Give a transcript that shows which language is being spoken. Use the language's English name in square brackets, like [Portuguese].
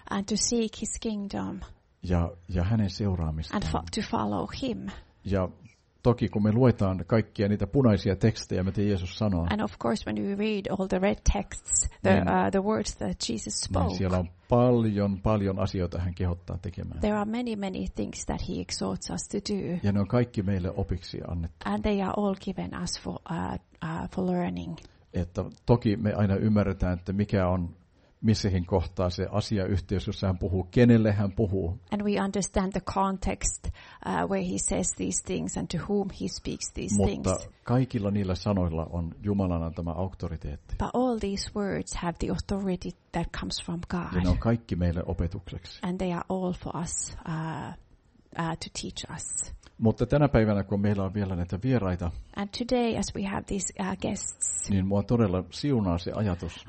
[English] And to seek his kingdom. [Finnish] Ja hänen seuraamistaan. [English] And to follow him. [Finnish] Ja toki kun me luetaan kaikkia niitä punaisia tekstejä, mitä Jeesus sanoo. [English] And of course when we read all the red texts, the words that Jesus spoke. [Finnish] Niin siellä on paljon asioita hän kehottaa tekemään. [English] There are many things that he exhorts us to do. [Finnish] Ja ne on kaikki meille opiksi annettu. [English] And they are all given us for learning. [Finnish] Että toki me aina ymmärretään, että mikä on missäkin kohtaa se asiayhteys, jossa hän puhuu, kenelle hän puhuu. [English] And we understand the context where he says these things and to whom he speaks these [Finnish] Mutta [English] things. [Finnish] Mutta kaikilla niillä sanoilla on Jumalan antama auktoriteetti. [English] But all these words have the authority that comes from God. [Finnish] Ja ne on kaikki meille opetukseksi. [English] And they are all for us to teach us. [Finnish] Mutta tänä päivänä, kun meillä on vielä näitä vieraita, [English] and today, as we have these, guests, [Finnish] niin mua todella siunaa se ajatus.